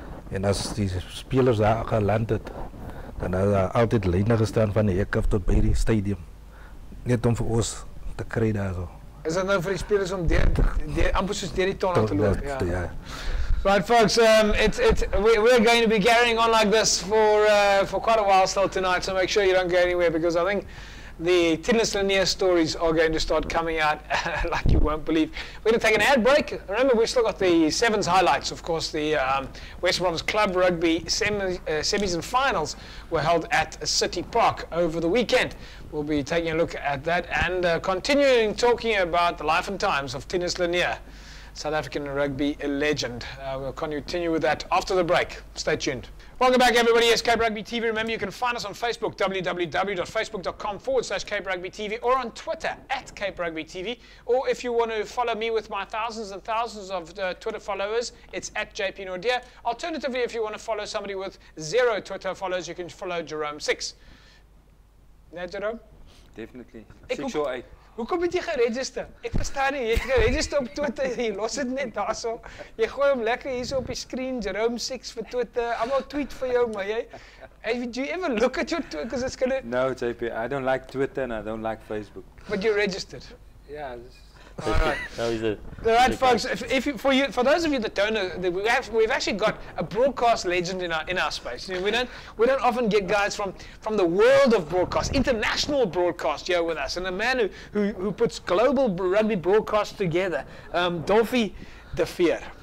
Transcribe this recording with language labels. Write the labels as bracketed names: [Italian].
[Afrikaans] En as die spelers daar geland het, dan het daar altyd lyne gestaan van die hek af tot by die stadium. Net om vir ons te kry daar so. Is dit nou vir die spelers om amper soos deur die tonnel te loop? Ja. [English] Right, folks, we're going to be carrying on like this for quite a while still tonight, so make sure you don't go anywhere because I think the Tinnis Lanier stories are going to start coming out like you won't believe. We're going to take an ad break. Remember, we've still got the Sevens highlights. Of course, the West Bromwich Club Rugby semis and finals were held at City Park over the weekend. We'll be taking a look at that and continuing talking about the life and times of Tinnis Lanier, South African rugby legend. We'll continue with that after the break. Stay tuned. Welcome back, everybody. It's Cape Rugby TV. Remember, you can find us on Facebook, www.facebook.com/CapeRugbyTV, or on Twitter, @CapeRugbyTV. Or if you want to follow me with my thousands and thousands of Twitter followers, it's @JPNordia. Alternatively, if you want to follow somebody with zero Twitter followers, you can follow Jerome 6. [Afrikaans] Nee, Jerome? [English] Definitely. 6 or 8. [Afrikaans] Hoekom het jy geregister? Ek verstaan nie, jy het geregister op Twitter, jy los dit net daarso. Jy gooi hom lekker hierso op die screen, Jerome 6 vir Twitter, allemaal tweet vir jou, maar jy... [English] Do you ever look at your Twitter, because it's gonna... No, JP, I don't like Twitter and I don't like Facebook. But you registered? Yeah, All right, folks. For those of you that don't know, we've actually got a broadcast legend in our space. You know, we don't often get guys from the world of broadcast, international broadcast, here with us, and a man who puts global rugby broadcast together, Dolfie the Veer.